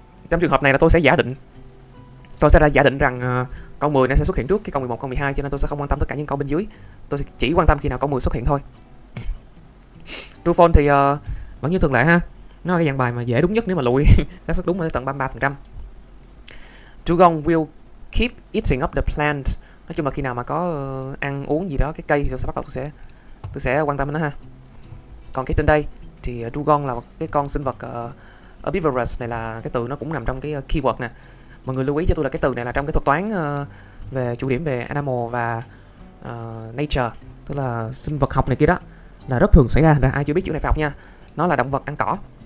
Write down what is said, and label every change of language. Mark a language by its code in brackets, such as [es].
[vi] Trong trường hợp này là tôi sẽ giả định rằng con 10 nó sẽ xuất hiện trước cái con 11, con 12, cho nên tôi sẽ không quan tâm tất cả những câu bên dưới. Tôi sẽ chỉ quan tâm khi nào con 10 xuất hiện thôi. True false thì vẫn như thường lệ ha. Nó là cái dạng bài mà dễ đúng nhất, nếu mà lụi xác suất đúng là tận 33%. [en] Dugong will keep eating up the plant. [vi] Nói chung là khi nào mà có ăn uống gì đó cái cây thì tôi sẽ quan tâm đến nó ha. Còn cái trên đây thì dugong là cái con sinh vật herbivorous, này là cái từ nó cũng nằm trong cái keyword nè. Mọi người lưu ý cho tôi là cái từ này là trong cái thuật toán về chủ điểm về animal và nature, tức là sinh vật học này kia đó, là rất thường xảy ra. Rồi, ai chưa biết chữ này phải học nha. Nó là động vật ăn cỏ.